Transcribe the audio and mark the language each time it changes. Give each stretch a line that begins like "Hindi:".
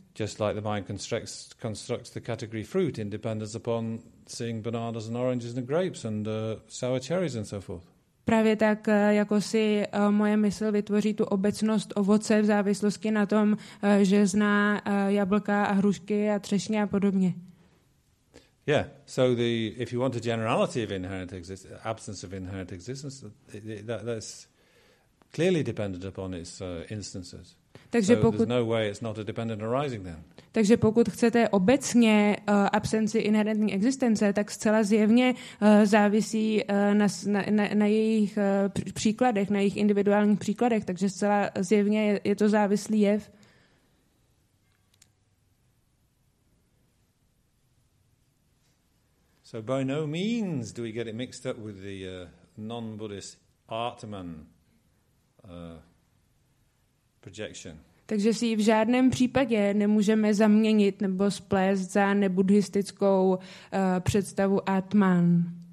English: Just like the mind constructs the category fruit in dependence upon seeing bananas and oranges and grapes and sour cherries and so forth.
Czech: Právě tak, jako si moje mysl vytvoří tu obecnost ovoce v závislosti na tom, že zná jablka a hrušky a třešně a podobně.
English: Yeah, so the if you want a generality of inherent existence, absence of inherent existence, that's clearly dependent upon its instances.
Czech: Takže pokud,
English: so there's no way it's not a dependent arising then.
Czech: Takže pokud chcete obecně absenci inherentní existence, tak zcela zjevně závisí na jejich příkladech, na jejich individuálních příkladech, takže zcela zjevně je to závislý jev.
English: So by no means do we get it mixed up with the non-Buddhist Atman projection.
Czech: Takže si ji v žádném případě nemůžeme zaměnit nebo splést za nebuddhistickou představu Atman.